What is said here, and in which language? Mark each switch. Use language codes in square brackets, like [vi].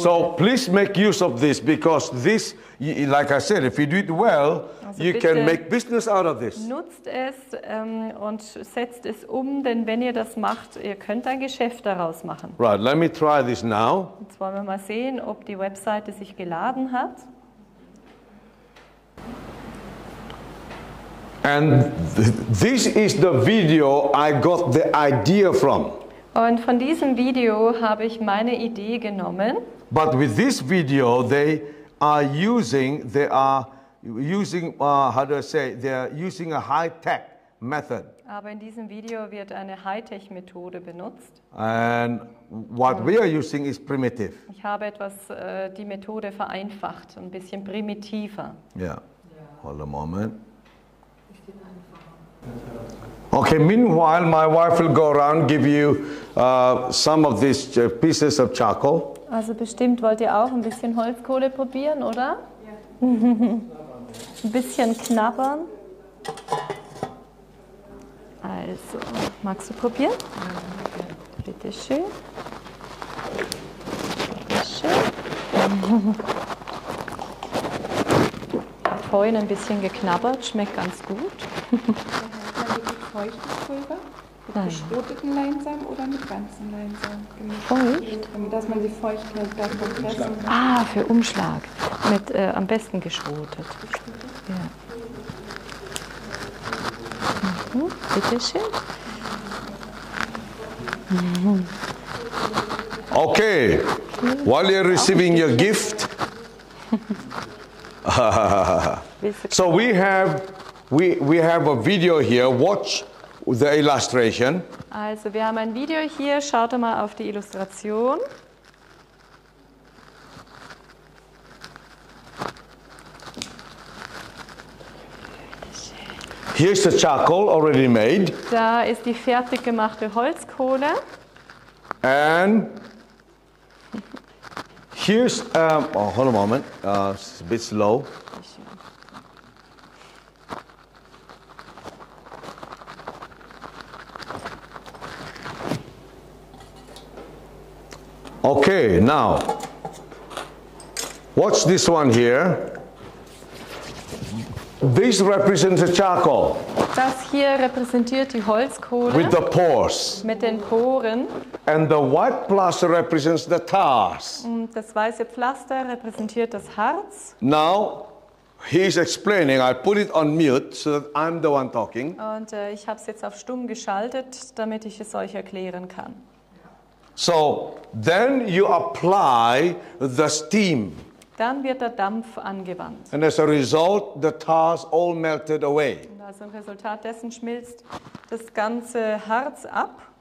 [en] So please make use of this, because this, like I said, if you do it well, [de] also [en] you can make business out of this. [de] Nutzt es und setzt es um, denn wenn ihr das macht, ihr könnt ein Geschäft daraus machen. [en] Right, let me try this now. [de] Jetzt wollen wir mal sehen, ob die Webseite sich geladen hat. [en] And this is the video I got the idea from. [de] Und von diesem Video habe ich meine Idee genommen. [en] But with this video, they are using a high-tech method. [de] Aber in diesem Video wird eine High-Tech-Methode benutzt. [en] And what we are using is primitive. [de] Ich habe etwas die Methode vereinfacht, ein bisschen primitiver. [en] Yeah. Hold a moment. Okay, meanwhile, my wife will go around and give you some of these pieces of charcoal. [de] Also bestimmt wollt ihr auch ein bisschen Holzkohle probieren, oder? Ja. Ein bisschen knabbern. Also, magst du probieren? Ja. Bitte schön. Bitteschön. Ich habe vorhin ein bisschen geknabbert, schmeckt ganz gut. Feuchtes Pulver, mit geschroteten Leinsamen oder mit ganzen Leinsamen? Feucht? Damit man die Feuchtigkeit dann verpressen kann. Ah, für Umschlag. Mit am besten geschrotet. Ja. Mhm. Bitteschön. Mhm. [en] Okay, while you're receiving your gift. So we have a video here. Watch the illustration. [de] Also, wir haben ein Video hier. Schaut mal auf die Illustration. He [en] Here's the charcoal already made. [de] Da ist die fertig gemachte Holzkohle. [en] And here's hold a moment. It's a bit slow. Okay, now watch this one here. This represents the charcoal. [de] Das hier repräsentiert die Holzkohle. [en] With the pores. [de] Mit den Poren. [en] And the white plaster represents the tars. [de] Und das weiße Pflaster repräsentiert das Harz. [en] Now he's explaining. I put it on mute so that I'm the one talking. [de] Und ich habe es jetzt auf stumm geschaltet, damit ich es euch erklären kann. [en] So then you apply the steam. [de] Dann wird der Dampf angewandt. [en] And as a result, the tars all melted away. [de] Und als ein Resultat dessen schmilzt das ganze Harz ab.